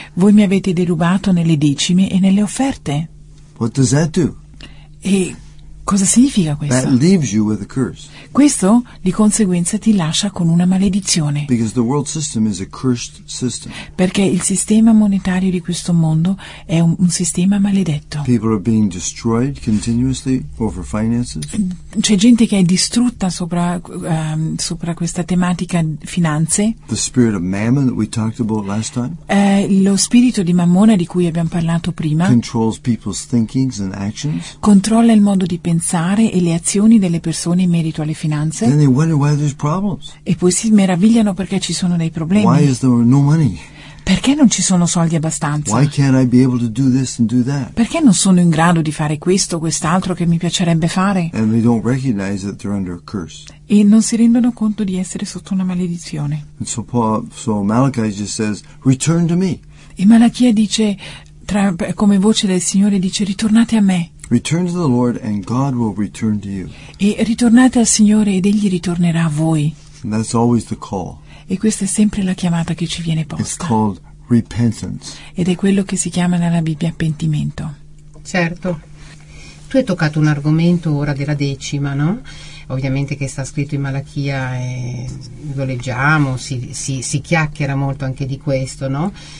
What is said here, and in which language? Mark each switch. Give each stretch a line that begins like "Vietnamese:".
Italian: Voi mi avete derubato nelle decime e nelle offerte.
English: What does that do?
Italian: E cosa significa questo?
English: That leaves you with a curse.
Italian: Questo, di conseguenza, ti lascia con una maledizione.
English: Because the world system is a cursed system.
Italian: Perché il sistema monetario di questo mondo è un sistema maledetto.
English: People are being destroyed continuously over finances.
Italian: C'è gente che è distrutta sopra questa tematica finanze.
English: The spirit of mammon that we talked about last time.
Italian: Lo spirito di mammona di cui abbiamo parlato prima.
English: Controls people's thinkings and actions.
Italian: Controlla il modo di pensare. pensare e le azioni delle persone in merito alle finanze.
English: Then they wonder why there's problems.
Italian: E poi si meravigliano perché ci sono dei problemi.
English: Why is there no money?
Italian: Perché non ci sono soldi abbastanza?
English: Why can't I be able to do this and do that?
Italian: Perché non sono in grado di fare questo o quest'altro che mi piacerebbe fare?
English: And they don't recognize that they're under a curse.
Italian: E non si rendono conto di essere sotto una maledizione.
English: And so, so Malachi just says, return to me.
Italian: E Malachia dice, come voce del Signore dice, ritornate a me.
English: Return to the Lord and God will return to you.
Italian: E ritornate al Signore ed Egli ritornerà a voi.
English: And that's always the call.
Italian: E questa è sempre la chiamata che ci viene posta.
English: It's called repentance.
Italian: Ed è quello che si chiama nella Bibbia pentimento. Certo. Tu hai toccato un argomento ora della decima, no? Ovviamente che sta scritto in Malachia, lo leggiamo, si chiacchiera molto anche di questo, no?